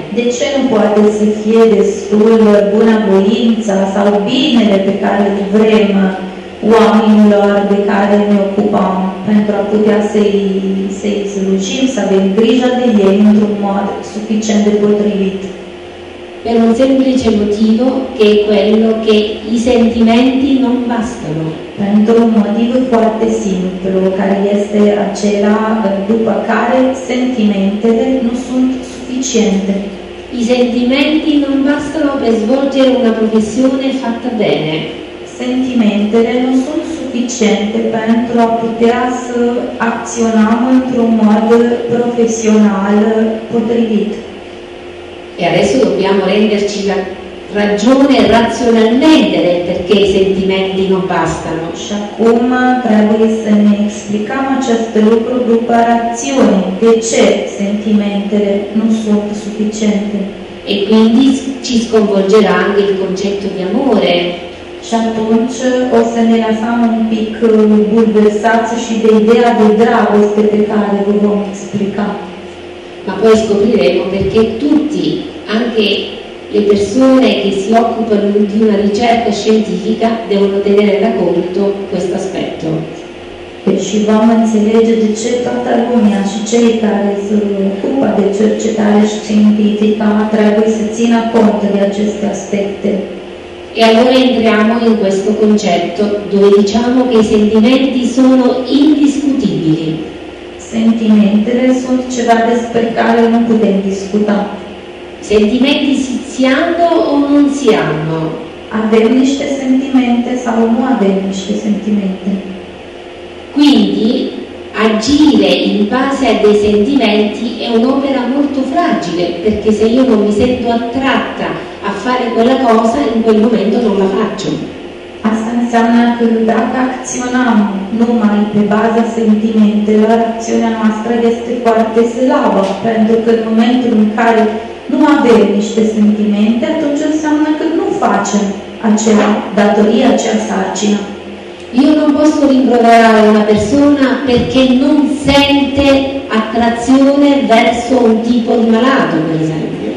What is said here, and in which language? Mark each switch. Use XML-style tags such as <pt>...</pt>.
<ro>De ce nu poate să fie destul buna voință sau binele pe care îl vrem oamenilor de care ne ocupăm, pentru a putea să-i slujim, să avem grijă de ei într-un mod suficient de potrivit.</ro> <it>Per un semplice motivo che è quello che i sentimenti non bastano.</it> <ro>Pentru un motiv foarte simplu, care este acela după care sentimentele nu sunt suficiente.</ro> <it>I sentimenti non bastano per svolgere una professione fatta bene.</it> <ro>Sentimentele nu sunt suficiente pentru a putea să acționăm într-un mod profesional potrivit.</ro> <it>E adesso dobbiamo renderci la ragione razionalmente del perché i sentimenti non bastano.</it> <ro>Și acum trebuie să ne explicăm acest lucru după rațiune. De ce sentimentele nu sunt suficiente?</ro> <it>E quindi ci sconvolgerà anche il concetto di amore.</it> <ro>Și atunci o să ne lăsăm un pic bulversați și de ideea de dragoste pe care vă vom explica.</ro> <it>Ma poi scopriremo perché tutti, anche le persone che si occupano di una ricerca scientifica, devono tenere da conto questo aspetto.</it> <ro>Și vom înțelege de ce toată lumea și cei care se ocupă de cercetare științifică trebuie să țină cont de aceste aspecte.</ro> <it>E allora entriamo in questo concetto dove diciamo che i sentimenti sono indiscutibili.</it> <ro>Sentimentele sunt ceva despre care nu putem discuta.</ro> <it>Sentimenti si hanno o non si hanno?</it> <ro>Avem niște sentimente sau nu avem niște sentimente?</ro> <it>Quindi agire in base a dei sentimenti è un'opera molto fragile, perché se io non mi sento attratta a fare quella cosa, in quel momento non la faccio.</it> <ro>Asta înseamnă că dacă acționăm numai pe baza sentimentelor, acțiunea noastră este foarte slabă, pentru că în momentul în care nu avem niște sentimente, atunci înseamnă că nu facem acea datorie, acea sarcină.</ro> <it>Io non posso rimproverare una persona perché non sente attrazione verso un tipo di malato, per esempio.</it>